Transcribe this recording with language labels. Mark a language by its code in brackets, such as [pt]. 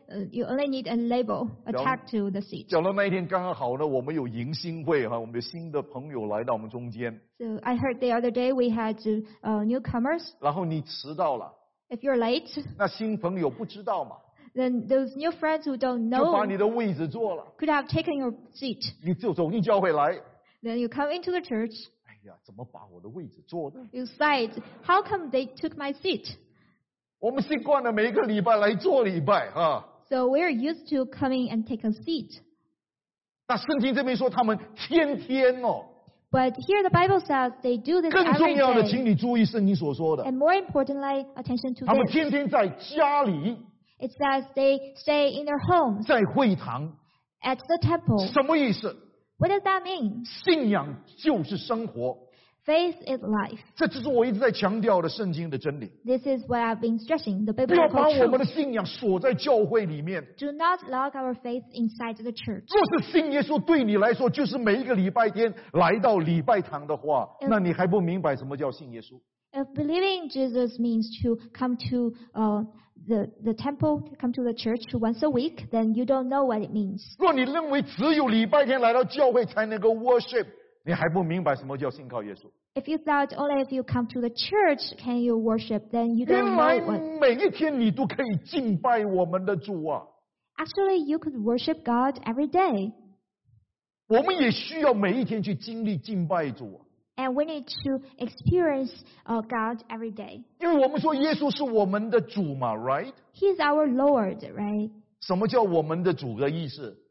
[en] You only need a label attached to the seat. [zh] 讲到那一天刚好呢，我们有迎新会哈，我们有新的朋友来到我们中间。 [en] So I heard the other day we had newcomers. [zh] 然后你迟到了。 [en] If you're late. [zh] 那新朋友不知道嘛。 [en] Then those new friends who don't know. [zh] 就把你的位置坐了。 [en] Could have taken your seat. [zh] 你就走进教会来。 [en] Then you come into the church. [zh] 哎呀，怎么把我的位置坐的 [en] ？You said, how come they took my seat? [zh] 我们习惯了每一个礼拜来做礼拜啊。 [en] So we're used to coming and take a seat. [zh] 那圣经这边说他们天天哦。 [en] But here the Bible says they do this every day. [zh] 更重要的，请你注意圣经所说的。 [en] And more importantly, attention to this. [zh] 他们天天在家里。 [en] It says they stay in their homes. [zh] 在会堂。 [en] At the temple. [zh] 什么意思？ [en] What does that mean? [zh] 信仰就是生活。 [en] Faith is life. [zh] 这就是我一直在强调的圣经的真理。 [en] This is what I've been stressing, the biblical truth. [zh] 不要把我们的信仰锁在教会里面。 [en] Do not lock our faith inside the church. [zh] 若是信耶稣对你来说就是每一个礼拜天来到礼拜堂的话，那你还不明白什么叫信耶稣？ [en] If believing Jesus means to come to the temple, come to the church once a week, then you don't know what it means. [zh] 若你认为只有礼拜天来到教会才能够 worship,你还不明白什么叫信靠耶稣。 [en] If you thought only if you come to the church can you worship, then you don't know what. [zh] 原来每一天你都可以敬拜我们的主啊。 [en] Actually, you could worship God every day. [zh] 我们也需要每一天去经历敬拜主啊。 [en] And we need to experience God every day. [zh] 因为我们说耶稣是我们的主嘛 ，right? [en] He's our Lord, right? [zh] 什么叫我们的主的意思